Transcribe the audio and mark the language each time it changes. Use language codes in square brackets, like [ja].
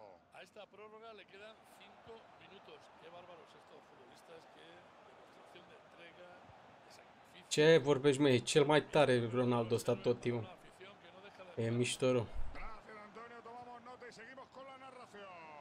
[es] A esta prórroga le quedan 5 minutos. Qué bárbaros estos futbolistas, qué demostración de entrega, de sacrificio. [ro] Ce vorbești, mă, e cel mai tare Ronaldo ăsta tot timpul. E miștoro. [es] Gracias, Antonio. Tomamos nota y seguimos con la narración.